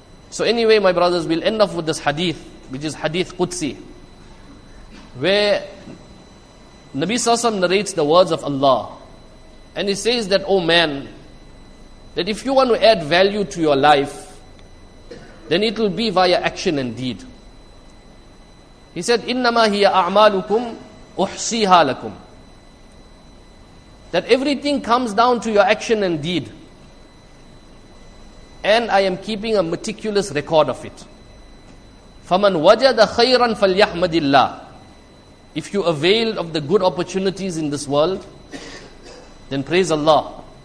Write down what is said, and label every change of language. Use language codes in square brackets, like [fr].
[en] So anyway, my brothers, we'll end off with this hadith, which is hadith Qudsi, where Nabi Sassam narrates the words of Allah. And he says that, oh man, that if you want to add value to your life, then it will be via action and deed. He said, [ar] إِنَّمَا هِيَ أَعْمَالُكُمْ أُحْصِيهَا لَكُمْ. [en] That everything comes down to your action and deed. And I am keeping a meticulous record of it. [ar] فَمَنْ وَجَدَ خَيْرًا فَلْيَحْمَدِ اللَّهِ. [en] If you avail of the good opportunities in this world, then praise Allah.